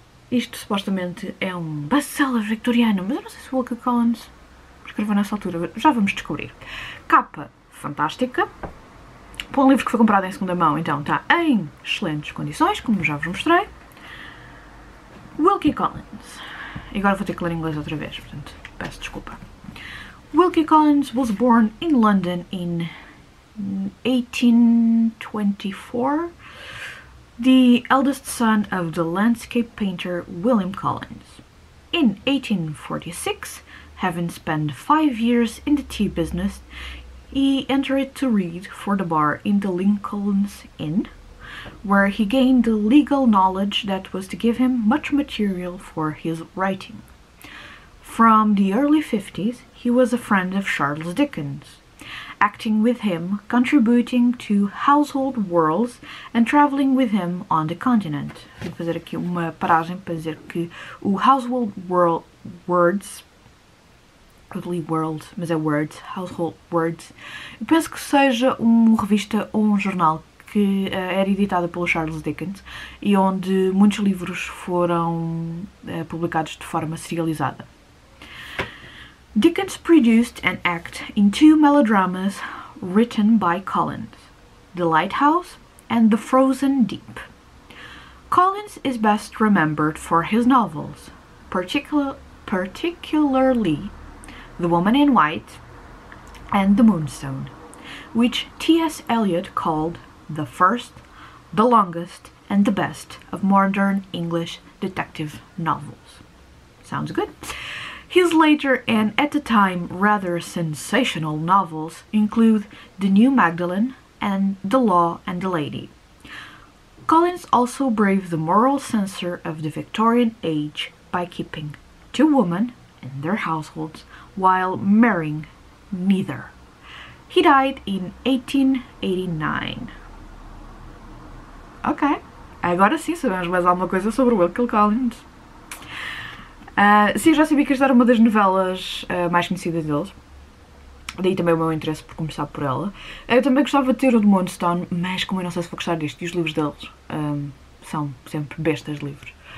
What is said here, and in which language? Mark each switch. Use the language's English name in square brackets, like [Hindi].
[Portuguese] Isto supostamente é um best-seller victoriano, mas eu não sei se o Wilkie Collins escreveu nessa altura. Já vamos descobrir. Capa fantástica. Para um livro que foi comprado em segunda mão, então está em excelentes condições, como já vos mostrei. Wilkie Collins. E agora vou ter que ler inglês outra vez, portanto, peço desculpa. [English] Wilkie Collins was born in London in 1824, the eldest son of the landscape painter William Collins. In 1846, having spent 5 years in the tea business, he entered to read for the bar in the Lincoln's Inn, where he gained the legal knowledge that was to give him much material for his writing. From the early 50s, he was a friend of Charles Dickens, acting with him, contributing to Household Worlds and traveling with him on the continent. [Portuguese] Vou fazer aqui uma paragem para dizer que o Household Words, [English] probably Worlds, [Portuguese] mas é Words, Household Words, eu penso que seja uma revista ou um jornal que era editada pelo Charles Dickens e onde muitos livros foram publicados de forma serializada. [English] Dickens produced and acted in two melodramas written by Collins, The Lighthouse and The Frozen Deep. Collins is best remembered for his novels, particularly The Woman in White and The Moonstone, which T.S. Eliot called the first, the longest and the best of modern English detective novels. Sounds good? His later and, at the time, rather sensational novels include The New Magdalen and The Law and the Lady. Collins also braved the moral censor of the Victorian age by keeping two women in their households while marrying neither. He died in 1889. [Portuguese] Okay, agora sim sabemos mais alguma coisa sobre Wilkie Collins. Sim, já sabia que esta era uma das novelas mais conhecidas deles. Daí também o meu interesse por começar por ela. Eu também gostava de ter o de Moonstone, mas como eu não sei se vou gostar disto, e os livros deles são sempre bestas de livros.